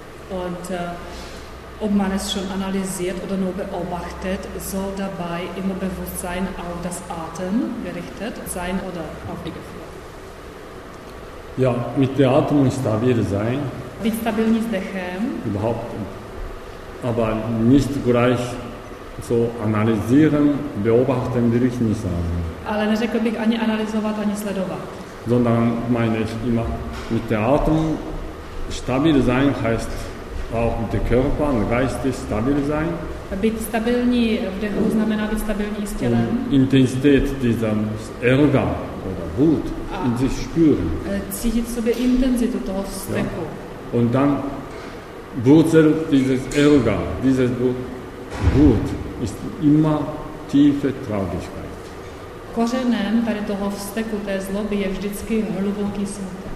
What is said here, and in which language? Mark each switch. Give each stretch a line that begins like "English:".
German: Und ob man es schon analysiert oder nur beobachtet, soll dabei immer Bewusstsein auf das Atmen gerichtet sein oder auf die Gefühle? Ja, mit der Atmung stabil sein. Wie stabil ist der Helm? Überhaupt. Aber nicht gleich so analysieren, beobachten würde ich nicht sagen.
Czech: Ale neřekl bych ani analyzovat, ani sledovat.
German: Sondern meine ich immer mit der Atmung stabil sein heißt auch der Körper und Geist ist stabil sein.
Czech: Být stabilní v dechu znamená být stabilní s tělem.
German: Intenzität dieser Ärger oder Wut in sich spüren.
Czech: Cítit v sobě intenzitu toho strachu.
German: Und dann Wurzel dieses Ärger, dieses Wut ist immer tiefe Traurigkeit.
Czech: Kořenem tady toho vzteku té zloby je vždycky hluboký smutek.